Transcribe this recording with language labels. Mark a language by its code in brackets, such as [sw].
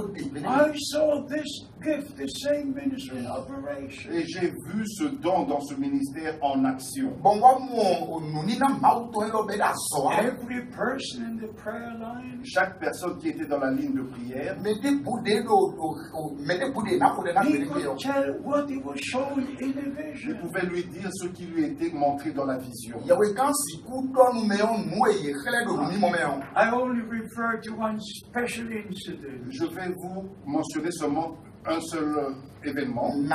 [en] this gift, the same ministry in operation. [fr] Et j'ai vu ce don dans ce ministère en action. [en] Every person in the prayer line. [fr] Chaque personne qui était dans la ligne de prière. [en] He could tell what he was shown in a vision. [fr] Il pouvait lui dire ce qui lui était montré dans la vision. [en] I only refer to one special incident. [fr] Je vais vous mentionner seulement un seul événement.